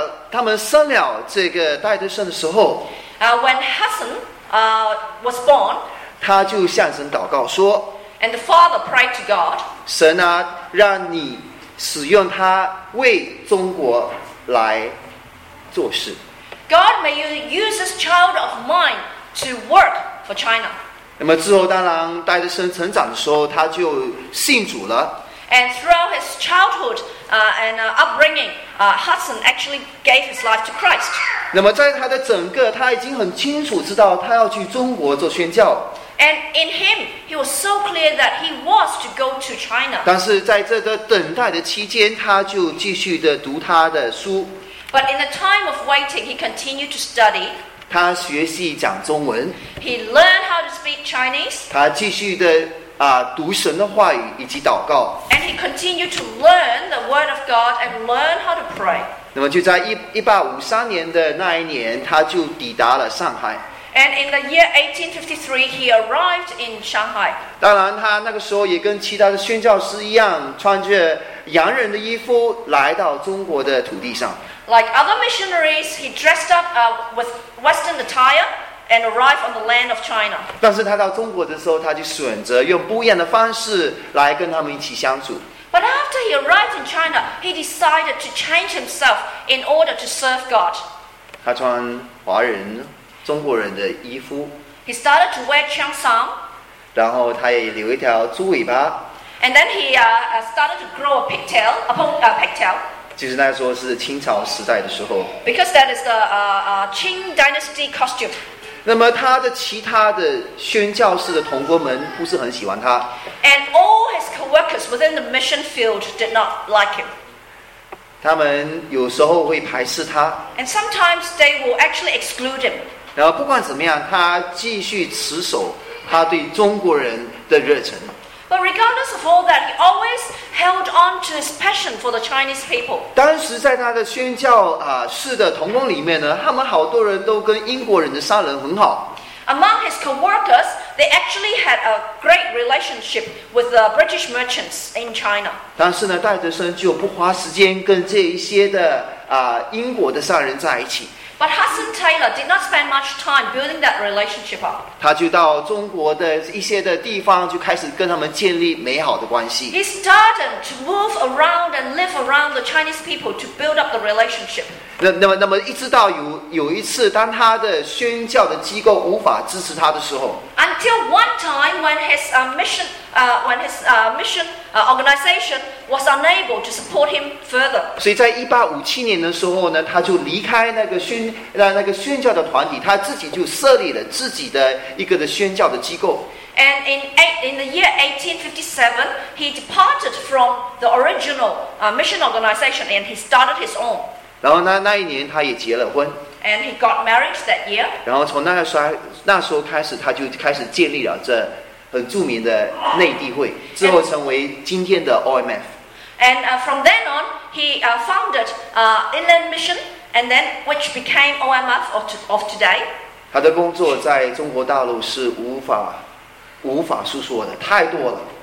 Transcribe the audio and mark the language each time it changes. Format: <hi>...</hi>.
<zh>他们生了这个戴德生的时候</zh> <en>，When Hudson was born,</en> <zh>他就向神祷告说</zh> <en>，And the father prayed to God.</en> <zh>神啊，让你使用他为中国来做事。</zh> <en>God, may you use this child of mine to work for China.</en> <zh>那么之后，当然戴德生成长的时候，他就信主了。</zh> <en>And throughout his childhood, and upbringing, Hudson actually gave his life to Christ.</en> <zh>那么在他的整个，他已经很清楚知道他要去中国做宣教。</zh> <en>And in him, he was so clear that he was to go to China.</en> <zh>但是在这个等待的期间，他就继续的读他的书。</zh> <en>But in the time of waiting, he continued to study.</en> <zh>他学习讲中文。</zh> <en>He learned how to speak Chinese.</en> <zh>他继续的读神的话语以及祷告。</zh> <en>And he continued to learn the word of God and learn how to pray.</en> <zh>那么就在1853年的那一年，他就抵达了上海。</zh> <en>And in the year 1853, he arrived in Shanghai.</en> <zh>当然，他那个时候也跟其他的宣教师一样，穿着洋人的衣服来到中国的土地上。</zh> <en>Like other missionaries, he dressed up with Western attire and arrived on the land of China.</en> <zh>但是他到中国的时候，他就选择用不一样的方式来跟他们一起相处。</zh> <en>But after he arrived in China, he decided to change himself in order to serve God.</en> <zh>他穿华人、中国人的衣服。</zh> <en>He started to wear Chang Sam.</en> <zh>然后他也留一条猪尾巴。</zh> <en>And then he started to grow a pigtail, a pigtail.</en> <zh>其实那时候是清朝时代的时候。</zh> <en>Because that is the Qing dynasty costume.</en> <zh>那么他的其他的宣教士的同工们不是很喜欢他。</zh> <en>And all his co-workers within the mission field did not like him.</en> <zh>他们有时候会排斥他。</zh> <en>And sometimes they will actually exclude him.</en> <zh>然后不管怎么样，他继续持守他对中国人的热忱。</zh> <en>But regardless of all that, he always held on to his passion for the Chinese people.</en> <zh>当时在他的宣教士的同工里面呢，他们好多人都跟英国人的商人很好。</zh> <en>Among his co-workers, they actually had a great relationship with the British merchants in China.</en> <zh>但是呢，戴德生就不花时间跟这一些的英国的商人在一起。</zh> <en>But Hudson Taylor did not spend much time building that relationship up.</en> <zh>他就到中国的一些的地方，就开始跟他们建立美好的关系。</zh> <en>He started to move around and live around the Chinese people to build up the relationship.</en> <zh>那么一直到有一次，当他的宣教的机构无法支持他的时候。</zh> <en>Until one time when his organization was unable to support him further.</en> <zh>所以在1857年的时候呢，他就离开那个宣教的团体，他自己就设立了自己的一个的宣教的机构。</zh> <en>And in the year 1857, he departed from the original mission organization and he started his own.</en> <zh>然后那一年他也结了婚。</zh> <en>And he got married that year.</en> <zh>然后从那时候开始，他就开始建立了这很著名的内地会，之后成为今天的 OMF.</zh> <en>And from then on, he founded Inland Mission, and then which became OMF of today.</en> <zh>他的工作在中国大陆是无法诉说的，太多了。</zh>